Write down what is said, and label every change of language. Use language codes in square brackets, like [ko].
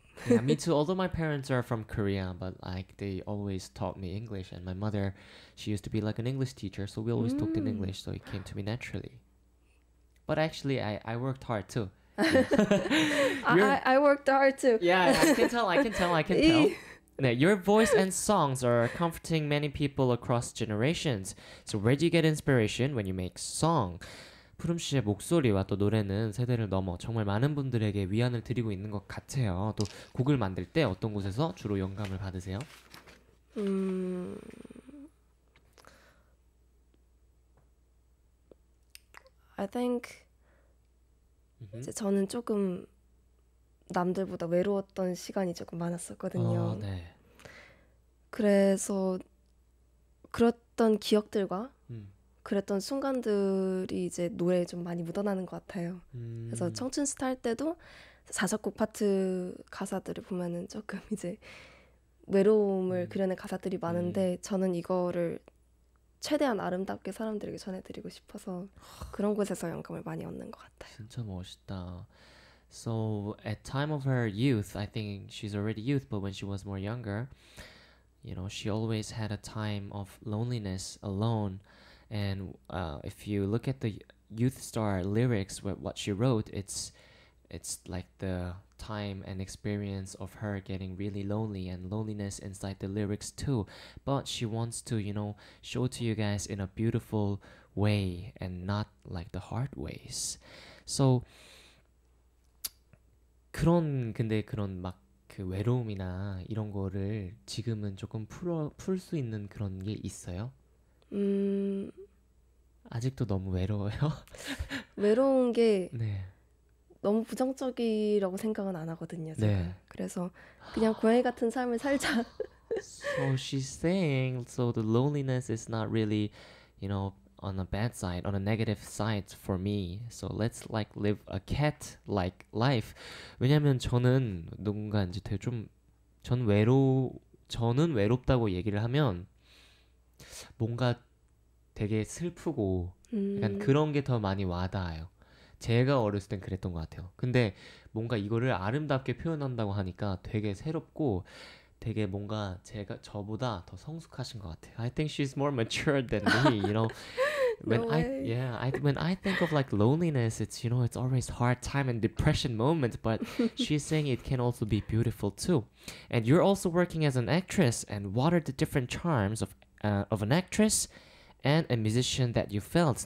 [en] Yeah, me too. Although my parents are from Korea, but like they always taught me English, and my mother, she used to be like an English teacher, so we always talked in English, so it came to me naturally. But actually, I worked hard too. Yeah. I worked hard too. Yeah, I can tell. Now, your voice and songs are comforting many people across generations. So where do you get inspiration when you make song? [ko] 푸름 씨의 목소리와 또 노래는 세대를 넘어 정말 많은 분들에게 위안을 드리고 있는 것 같아요. 또 곡을 만들 때 어떤 곳에서 주로 영감을 받으세요? [en] I think mm-hmm. [ko] 이제 저는 조금 남들보다 외로웠던 시간이 조금 많았었거든요. 네. 그래서 그랬던 기억들과 그랬던 순간들이 이제 노래에 좀 많이 묻어나는 것 같아요. 그래서 청춘스타 할 때도 자작곡 파트 가사들을 보면은 조금 이제 외로움을 그려낸 가사들이 많은데 저는 이거를 최대한 아름답게 사람들에게 전해드리고 싶어서 그런 곳에서 영감을 많이 얻는 것 같아요. 진짜 멋있다. [en] So at time of her youth, I think she's already youth, but when she was more younger, you know, she always had a time of loneliness alone. And if you look at the Youth Star lyrics, what she wrote, it's like the time and experience of her getting really lonely and loneliness inside the lyrics too. But she wants to, you know, show to you guys in a beautiful way and not like the hard ways. [ko] So, 근데 그런 막 그 외로움이나 이런 거를 지금은 조금 풀 수 있는 그런 게 있어요? 아직도 너무 외로워요? 외로운 게 네. 너무 부정적이라고 생각은 안 하거든요, 제가. 네. 그래서 그냥 고양이 같은 삶을 살자. [en] So she's saying, so the loneliness is not really, you know, on a bad side, on a negative side for me. So let's like live a cat-like life. [ko] 왜냐면 저는 누군가 이제 되게 좀 저는 외롭다고 얘기를 하면 뭔가 되게 슬프고 약간 그런 게 더 많이 와닿아요. 제가 어렸을 땐 그랬던 것 같아요. 근데 뭔가 이거를 아름답게 표현한다고 하니까 되게 새롭고 되게 뭔가 제가 저보다 더 성숙하신 것 같아요. [en] I think she's more mature than me, you know. When no I yeah, I when I think of like loneliness, it's, you know, it's always hard time and depression moments, but she's saying it can also be beautiful too. And you're also working as an actress, and what are the different charms of an actress and a musician that you felt?